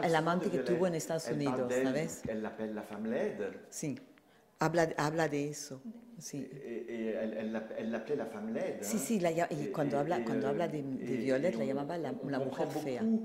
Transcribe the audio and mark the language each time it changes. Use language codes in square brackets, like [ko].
[es] El amante que tuvo en Estados Unidos, ¿sabes? [fr] Elle l'appelle la femme laide. [es] Sí. Habla de eso. Sí. [fr] Elle l'appelait la femme laide. [es] Sí, sí, cuando habla de Violette, la llamaba la mujer fea.